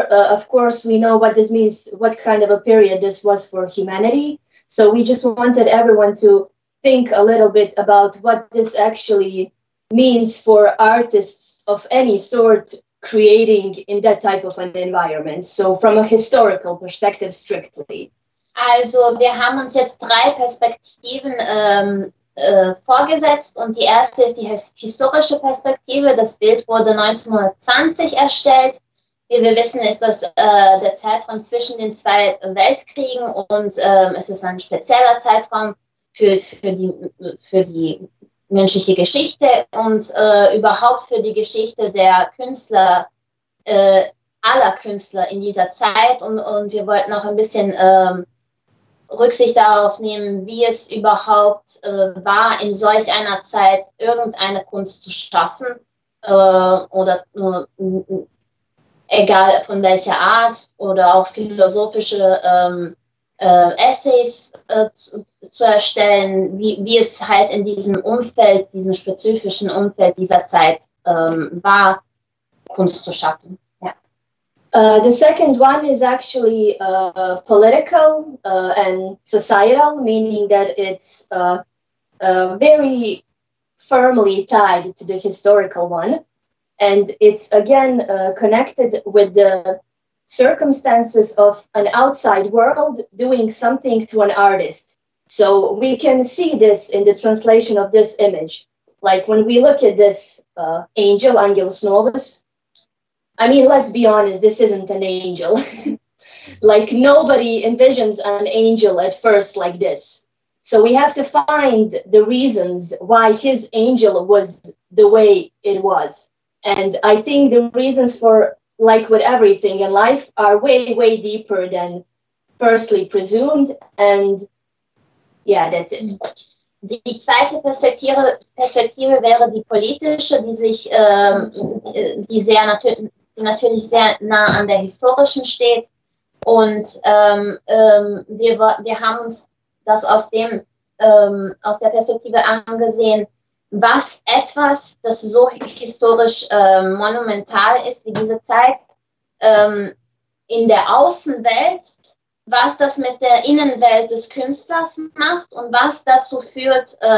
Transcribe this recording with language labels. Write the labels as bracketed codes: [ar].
[en] Of course, we know what this means, what kind of a period this was for humanity. So we just wanted everyone to think a little bit about what this actually means for artists of any sort creating in that type of an environment. So from a historical perspective, strictly. [de] Also, wir haben uns jetzt drei Perspektiven vorgesetzt, und die erste ist die historische Perspektive. Das Bild wurde 1920 erstellt. Wie wir wissen, ist das der Zeitraum zwischen den zwei Weltkriegen, und es ist ein spezieller Zeitraum für die menschliche Geschichte und überhaupt für die Geschichte der Künstler, aller Künstler in dieser Zeit. Und wir wollten auch ein bisschen Rücksicht darauf nehmen, wie es überhaupt war, in solch einer Zeit irgendeine Kunst zu schaffen, oder egal von welcher Art, oder auch philosophische Essays zu erstellen, wie es halt in diesem Umfeld, diesem spezifischen Umfeld dieser Zeit war, Kunst zu schaffen. [en] Yeah. The second one is actually political and societal, meaning that it's very firmly tied to the historical one, and it's again connected with the circumstances of an outside world doing something to an artist. So we can see this in the translation of this image. Like when we look at this angel, Angelus Novus, I mean, let's be honest, this isn't an angel. Like nobody envisions an angel at first like this. So we have to find the reasons why his angel was the way it was. And I think the reasons for, like with everything in life, are way, way deeper than firstly presumed. And yeah, that's it. [de] Die zweite Perspektive wäre die politische, die sich die natürlich sehr nah an der historischen steht. Und wir haben uns das aus dem aus der Perspektive angesehen, was etwas, das so historisch monumental ist wie diese Zeit, in der Außenwelt, was das mit der Innenwelt des Künstlers macht und was dazu führt,